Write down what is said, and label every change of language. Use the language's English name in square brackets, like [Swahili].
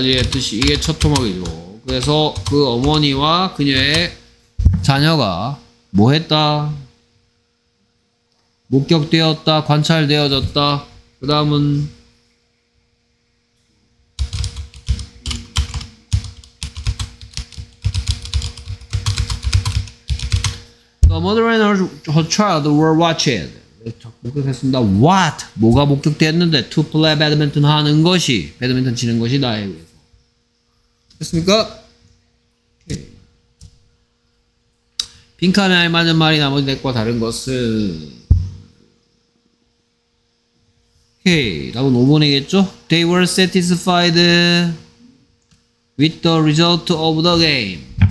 [Korean] 뜻이 이게 첫 토막이죠. 그래서 그 어머니와 그녀의 자녀가 뭐 했다? 목격되었다, 관찰되어졌다. 그 다음은 [English] The mother and her child were watching. [Korean] 목격했습니다. What? 뭐가 목격되었는데? [English] To play badminton [Korean] 하는 것이, 배드민턴 치는 것이 나의 의미. 됐습니까? 빈칸에 맞는 말이 나머지 넷과 다른 것은? 오케이. 답은 5번이겠죠? [English] They were satisfied with the result of the game.